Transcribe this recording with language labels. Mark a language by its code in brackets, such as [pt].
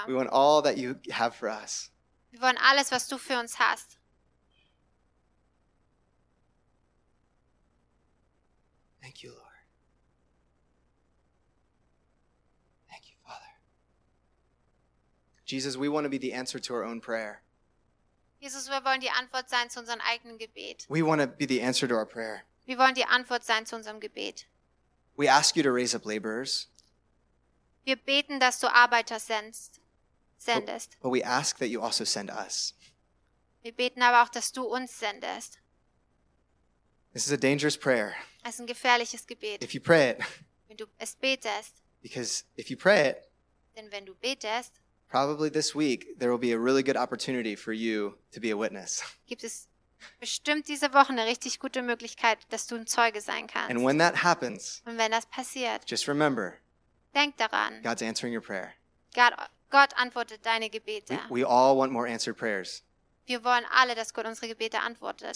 [en] We want all that you have for us. [de] Wir wollen alles, was du für uns hast. [en] Thank you, Lord. Thank you, Father. Jesus, we want to be the answer to our own prayer. [de] Jesus, wir wollen die Antwort sein zu unserem eigenen Gebet. [en] We want to be the answer to our prayer. [de] Wir wollen die Antwort sein zu unserem Gebet. [en] We ask you to raise up laborers. [de] Wir beten, dass du Arbeiter sendest. [en] But we ask that you also send us. [de] Wir beten aber auch, dass du uns sendest. [en] This is a dangerous prayer. [de] Es ist ein gefährliches Gebet. [en] If you pray it, [de] wenn du es betest, [en] because if you pray it, [de] denn wenn du betest, [en] probably this week there will be a really good opportunity for you to be a witness. [de] Gibt es bestimmt diese Woche eine richtig gute Möglichkeit, dass du ein Zeuge sein kannst. [en] And when that happens, [de] und wenn das passiert, [en] just remember, [de] denk daran, [en] God's answering your prayer. [de] Gott antwortet deine Gebete. [en] We all want more answered prayers. [de] Wir wollen alle, dass Gott unsere Gebete antwortet.